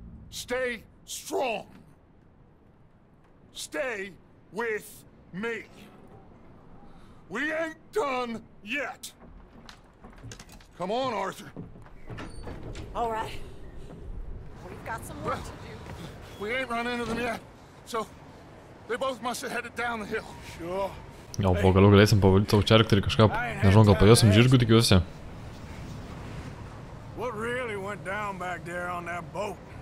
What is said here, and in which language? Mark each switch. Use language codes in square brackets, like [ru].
[en] Stay strong. Stay with me. We ain't done yet. Come on, Arthur. All right. We've got some work to do. We ain't run into them yet. So they both must have headed down the hill. Sure. [lt] Jau, pagaliau galėsim pavalyti savo čerktą ir kažką, nežinau, gal pajosim žirgų, tikiuosi. [en] What really went down back there on that boat?